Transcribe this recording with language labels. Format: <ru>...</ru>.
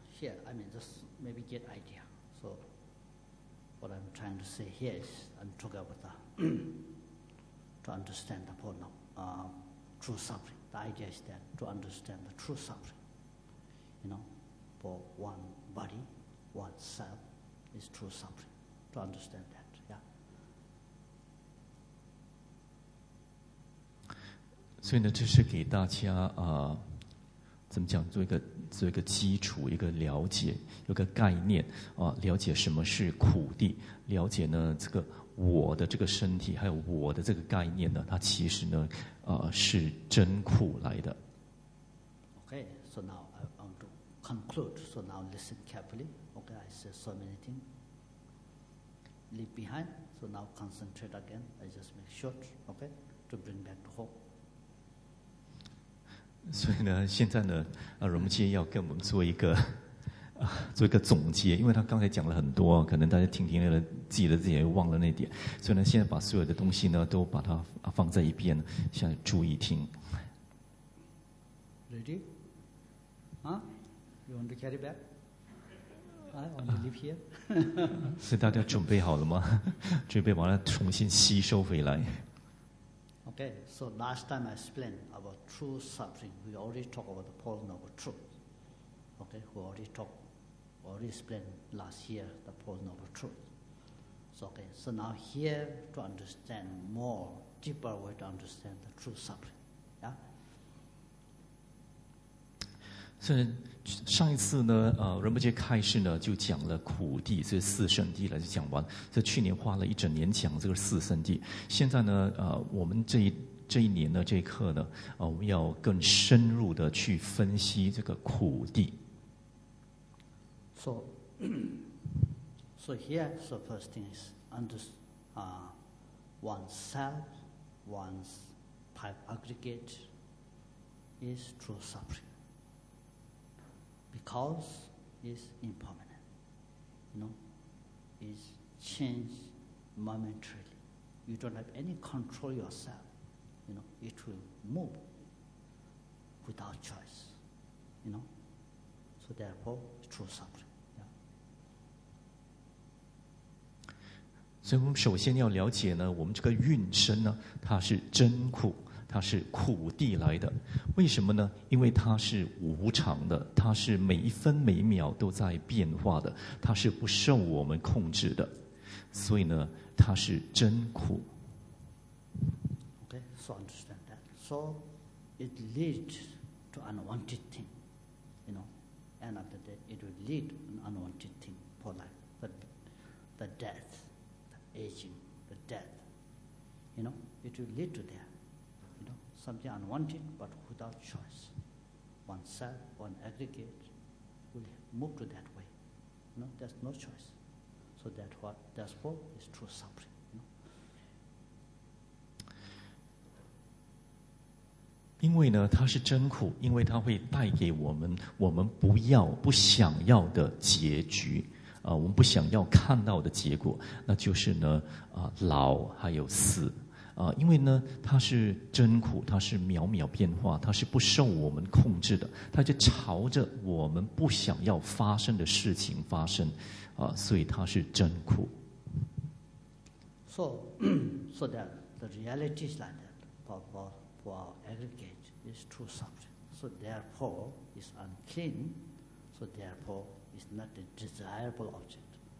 <en>Here, I mean, just maybe get idea. So, what I'm trying to say here is, I'm talking about the to understand the problem, true suffering. The idea is that to understand the true suffering, you know, for one body, one self, is true suffering. To understand that, yeah.</en> <zh>所以呢，这是给大家怎么讲，做一个基础，一个了解，有个概念啊，了解什么是苦谛，了解呢这个我的这个身体，还有我的这个概念呢，它其实呢是真苦来的。</zh> <en>Okay, so now I want to conclude. So now listen carefully. Okay, I said so many things. Leave behind. So now concentrate again. I just make short. Okay, to bring back to home.</en> <zh>所以呢，现在呢，荣木姐要跟我们做一个总结，因为他刚才讲了很多，可能大家听了，记得自己又忘了那点，所以呢，现在把所有的东西呢，都把它放在一边，现在注意听。</zh> <en>Ready? You want to carry back? I want to leave here.</en> <zh>所以大家准备好了吗？准备把它重新吸收回来。</zh> <en>Okay, so last time I explained about true suffering, we already talked about the problem of truth. Okay, we already talked, already explained last year the problem of truth. So, okay, so now here to understand more, deeper way to understand the true suffering. Yeah?</en> <zh>所以上一次呢，仁波切开示呢就讲了苦谛，这四圣谛了，就讲完。这去年花了一整年讲这个四圣谛，现在呢，我们这一年的这一课呢，我们要更深入的去分析这个苦谛。</zh> <en>So here, so first thing is understand oneself, one's type aggregate is true suffering. Because is impermanent, you know, is changed momentarily. You don't have any control yourself, you know, it will move without choice, you know. So therefore, true suffering. Yeah.</en> <zh>所以我们首先要了解呢，我们这个运身呢，它是真苦。它是苦谛来的，为什么呢？因为它是无常的，它是每一分每一秒都在变化的，它是不受我们控制的，所以呢，它是真苦。</zh> <en>Okay, so understand that. So it leads to unwanted thing, you know, and after that, it will lead an unwanted thing for life, the death, the aging, the death, you know, it will lead to that. Something unwanted, but without choice. Oneself, one aggregate, will move to that way. You know, there's no choice. So that's for is true suffering. You know?</en> <zh>因为呢，它是真苦，因为它会带给我们不要、不想要的结局，我们不想要看到的结果，那就是呢，老还有死。因为呢，它是真苦，它是秒秒变化，它是不受我们控制的，它就朝着我们不想要发生的事情发生，所以它是真苦。</zh> <en>So that the reality is like that, for our aggregate is true suffering. So therefore is unclean. So therefore is not a desirable object.</en>